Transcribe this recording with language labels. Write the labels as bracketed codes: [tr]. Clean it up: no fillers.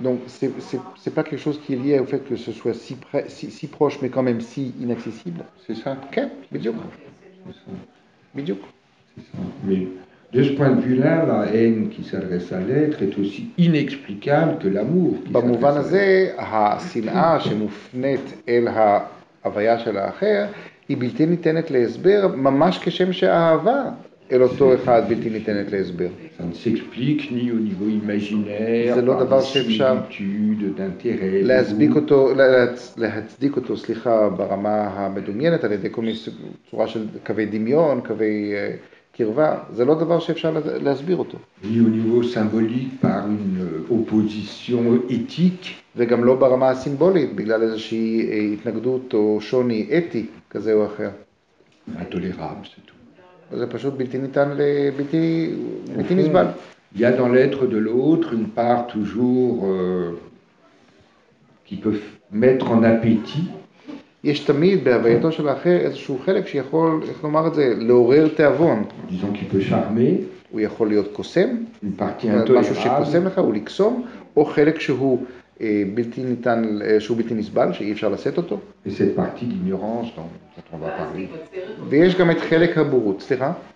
[fr] Donc, c'est pas quelque chose qui est lié au fait que ce soit si proche, mais quand même si inaccessible. C'est ça. [he] כן, בדיוק. בדיוק. [fr] Mais De ce point de vue-là, la haine qui s'adresse à l'être est aussi inexplicable que l'amour. [he] במובן הזה, השנאה שמופנית אל ההוויה של האחר, היא בלתי ניתנת להסבר, ממש כשם שאהבה אל אותו אחד בלתי ניתנת להסבר. [fr] Ça ne s'explique ni au niveau imaginaire, par la similitude, d'intérêt. [he] להסביק אותו, להצדיק אותו, סליחה, ברמה המדומיינת, על ידי כל מיני צורה של קווי דמיון, קווי... קרבה, זה לא דבר שאפשר להסביר אותו. [fr] Ni au niveau symbolique par une opposition éthique. [he] וגם לא ברמה הסימבולית, בגלל איזושהי התנגדות או שוני אתי כזה או אחר. [fr] Intolérable, c'est tout. [he] זה פשוט בלתי ניתן, בלתי נסבל. [fr] Il y a dans l'être de l'autre une part toujours qui peut mettre en appétit. [he] יש תמיד בהווייתו של האחר איזשהו חלק שיכול, איך לומר את זה, לעורר תיאבון. [fr] Disons qu'il peut charmer. [he] הוא יכול להיות קוסם. [fr] Une partie intolérable. [he] משהו שקוסם לך, הוא לקסום, או חלק שהוא בלתי ניתן, שהוא בלתי נסבל, שאי אפשר לשאת אותו. [fr] Et cette partie d'ignorance, c'est on va parler. [he] ויש גם את חלק הבורות, סליחה.